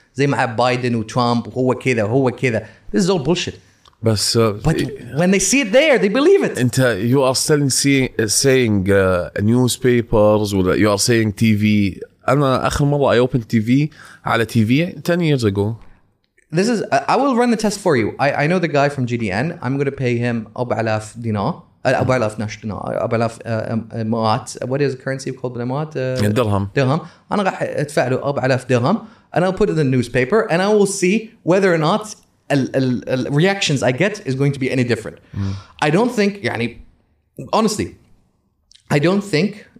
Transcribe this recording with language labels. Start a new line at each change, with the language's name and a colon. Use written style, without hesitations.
Arabic: زي مع بايدن وترامب هو كذا هو كذا.
English: This is all bullshit. But when they see it there, they believe it.
Arabic: أنت
English: you are still saying newspapers, or you are saying TV.
Arabic: أنا آخر مرة
English: I opened TV على TV 10 years ago. This is I will run the test for you. I know the guy from GDN. I'm going to pay him 4,000 dinar.
Arabic: مئات.
English: What is the currency called بالإمارات?
Arabic: درهم. درهم. أنا راح أدفع له 4,000 درهم.
English: And I'll put it in the newspaper, and I will see whether or not reactions I get is going to be any different. I don't think,
Arabic: يعني,
English: honestly, I don't think